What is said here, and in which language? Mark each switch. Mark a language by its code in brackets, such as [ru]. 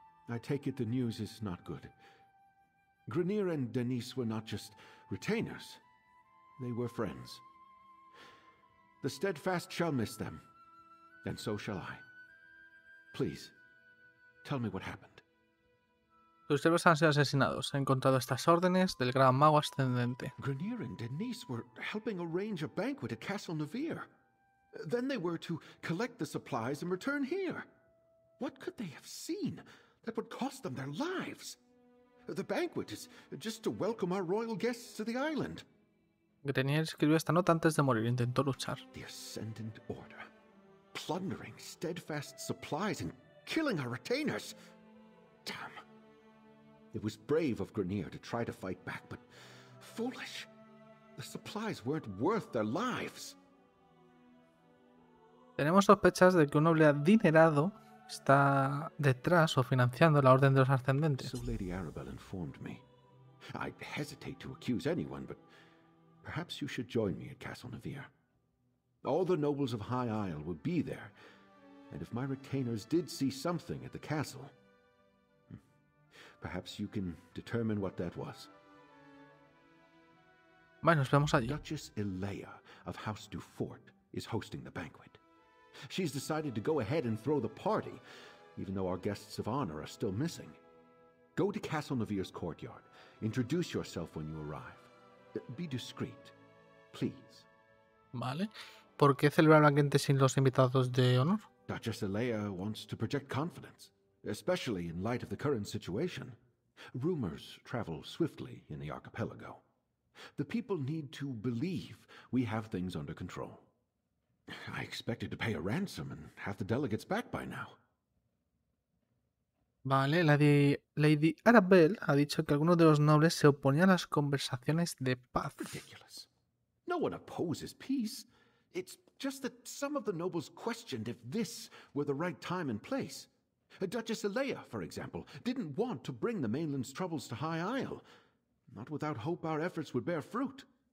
[en] I take it the news is not good. Grenier and Denise were not just retainers. They were friends. The Steadfast shall miss them, and so shall I. Please, tell me what happened. [es] Tus héroes han sido asesinados. He encontrado estas órdenes del gran mago ascendente. [en] Grenier and Denise were helping arrange a banquet at Castle Nevere. Then they were to collect the supplies and return here. What could they have seen that would cost them their lives? The banquet is just to welcome our royal guests to the island. [es] Grenier escribió esta nota antes de morir. Intentó luchar. [en] The Ascendant Order. Plundering Steadfast supplies and killing our retainers. Damn. It was brave of Grenier to try to fight back, but foolish. The supplies weren't worth their lives. [es] Tenemos sospechas de que un noble adinerado está detrás o financiando la Orden de los Ascendentes. [en] So Lady Arabelle informed me. I hesitate to accuse anyone, but perhaps you should join me at Castle Nevere. All the nobles of High Isle will be there, and if my retainers did see something at the castle, perhaps you can determine what that was. [es] Bueno, esperamos allí. [en] Duchess Elea of House Dufort is hosting the banquet. She's decided to go ahead and throw the party, even though our guests of honor are still missing. Go to Castle Nevere's courtyard. Introduce yourself when you arrive. Be discreet, please. [es] Vale. ¿Por qué celebrar la gente sin los invitados de honor? [en] Duchess Elea wants to project confidence, especially in light of the current situation. Rumors travel swiftly in the archipelago. The people need to believe we have things under control. I expected to pay a ransom and have the delegates back by now. [es] Vale, Lady Arabelle ha dicho que algunos de los nobles se oponían a las conversaciones de paz. [en] Ridiculous. No one opposes peace. It's just that some of the nobles questioned if this were the right time and place. Duchess Elea, for example, didn't want to bring the mainland's troubles to High Isle. Not without hope our efforts would bear fruit.